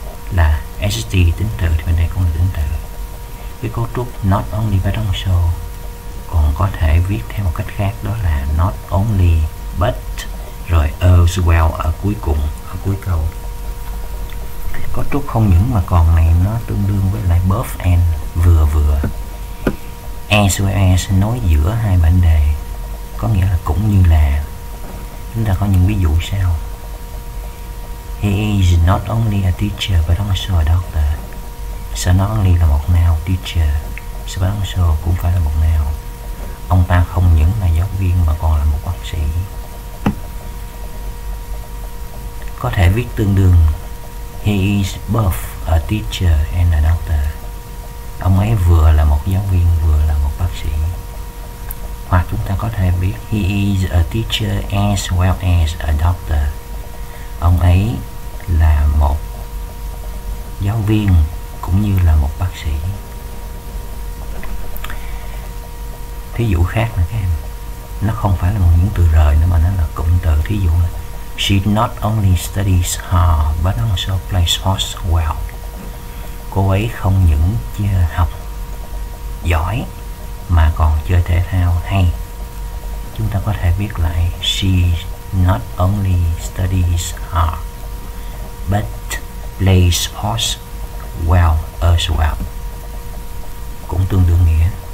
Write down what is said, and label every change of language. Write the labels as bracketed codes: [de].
[vi] Là est tính từ thì bên đây cũng là tính từ. Cái cấu trúc not only but also còn có thể viết theo một cách khác, đó là not only but rồi as well ở cuối cùng, ở cuối câu. Cái cấu trúc không những mà còn này nó tương đương với lại both and, vừa vừa. As well as nối giữa hai mệnh đề, có nghĩa là cũng như là. Chúng ta có những ví dụ sau. [en] He is not only a teacher but also a doctor. [vi] So not only là một noun teacher, so but also cũng phải là một noun. Ông ta không những là giáo viên mà còn là một bác sĩ. Có thể viết tương đương: [en] He is both a teacher and a doctor. [vi] Ông ấy vừa là một giáo viên vừa là một bác sĩ. Hoặc chúng ta có thể viết: [en] He is a teacher as well as a doctor. [vi] Ông ấy là một giáo viên cũng như là một bác sĩ. Thí dụ khác nè các em, nó không phải là một những từ rời nữa mà nó là cụm từ. Thí dụ là: [en] She not only studies hard but also plays sports well. [vi] Cô ấy không những chơi học giỏi mà còn chơi thể thao hay. Chúng ta có thể viết lại: [en] She not only studies hard but plays sports well as well. [vi] Cũng tương đương nghĩa.